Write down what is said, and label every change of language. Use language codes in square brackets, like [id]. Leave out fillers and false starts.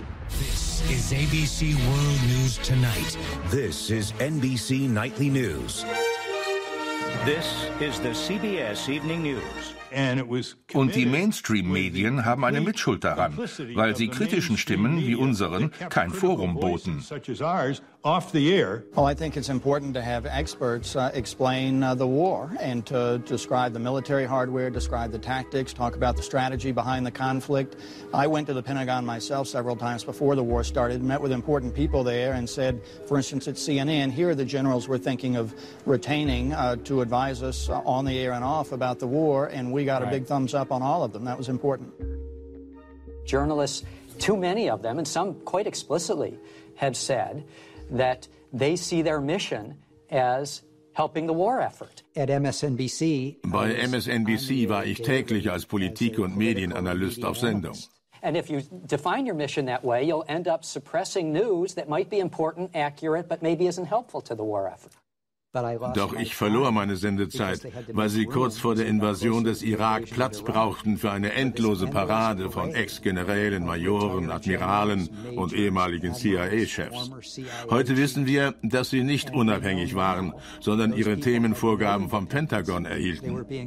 [en] This is ABC World News tonight. This is NBC Nightly News. This is the CBS Evening News. [de] Und die Mainstream-Medien haben eine Mitschuld daran, weil sie kritischen Stimmen wie unseren kein Forum boten. [en] Well, I think it's important to have experts explain the war and to describe the military hardware, describe the tactics, talk about the strategy behind the conflict. I went to the Pentagon myself several times before the war started, met with important people there and said, for instance, at CNN, here are the generals we're thinking of retaining to advise us on the air and off about the war, and we got a big thumbs up on all of them. That was important. Journalists, too many of them, and some quite explicitly, have said that they see their mission as helping the war effort. At MSNBC, [de] bei MSNBC war ich täglich als Politik- und Medienanalyst auf Sendung. [en] And if you define your mission that way, you'll end up suppressing news that might be important, accurate, but maybe isn't helpful to the war effort. [de] Doch ich verlor meine Sendezeit, weil sie kurz vor der Invasion des Irak Platz brauchten für eine endlose Parade von Ex-Generälen, Majoren, Admiralen und ehemaligen CIA-Chefs. Heute wissen wir, dass sie nicht unabhängig waren, sondern ihre Themenvorgaben vom Pentagon erhielten.